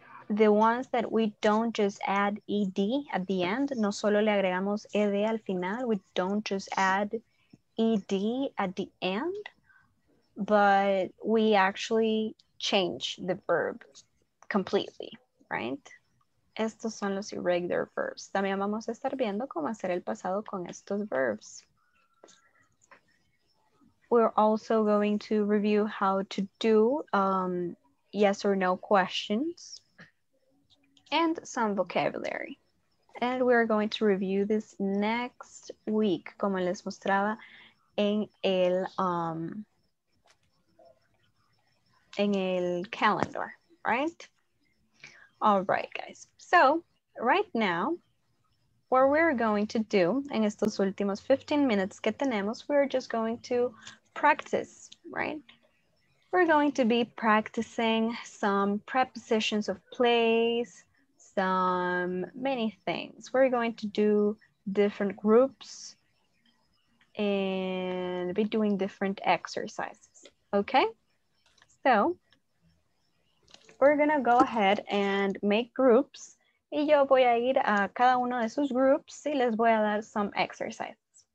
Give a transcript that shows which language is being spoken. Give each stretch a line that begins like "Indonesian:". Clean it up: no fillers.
English: The ones that we don't just add ed at the end.
Spanish: No solo le agregamos ed al final.
English: We don't just add ed at the end. But we actually change the verb completely, right?
Spanish: Estos son los
English: irregular verbs.
Spanish: También vamos a estar viendo cómo hacer el pasado con estos verbs.
English: We're also going to review how to do yes or no questions and some vocabulary. And we're going to review this next week,
Spanish: como les mostraba en el
English: calendar, right? All right, guys. So, right now, what we're going to do in
Spanish: estos últimos 15 minutes que tenemos,
English: we're just going to practice, right? We're going to be practicing some prepositions of place, some many things. We're going to do different groups and be doing different exercises, okay? So, we're gonna go ahead and make groups.
Spanish: Y yo voy a ir a cada uno de esos groups y les voy a dar
English: some exercises.